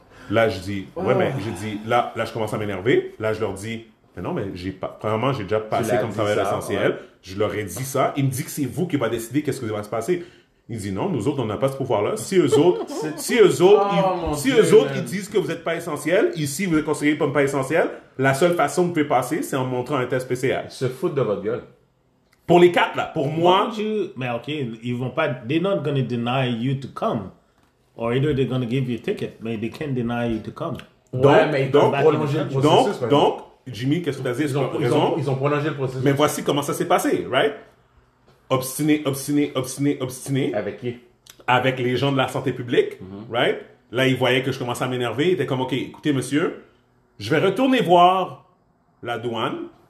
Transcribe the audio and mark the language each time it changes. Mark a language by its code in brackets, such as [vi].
[fr] Là, je dis, ouais, mais j'ai dit, là, je commence à m'énerver. Là, je leur dis, mais non, mais j'ai pas, premièrement, j'ai déjà passé comme travailleur essentiel. Ouais. Je leur ai dit ça. Il me dit que c'est vous qui va décider qu'est-ce qui va se passer. Il dit, non, nous autres, on n'a pas ce pouvoir-là. Si eux autres, ils disent que vous n'êtes pas essentiel, ici, vous êtes considéré comme pas essentiel, la seule façon que vous pouvez passer, c'est en montrant un test PCR. Ils se foutent de votre gueule. Pour les quatre, là, pour moi... Mais OK, ils vont pas... [en] They're not going to deny you to come. Or either they're going to give you a ticket, but they can't deny you to come. [fr] Donc, ouais, mais ils donc, prolonger le processus. Donc, Jimmy, qu'est-ce que tu as dit? Ils ont prolongé le processus. Mais voici comment ça s'est passé, right? Obstiné. Avec qui? Avec les gens de la santé publique, mm-hmm. Right? Là, ils voyaient que je commençais à m'énerver. Ils étaient comme, OK, écoutez, monsieur, je vais retourner voir la douane.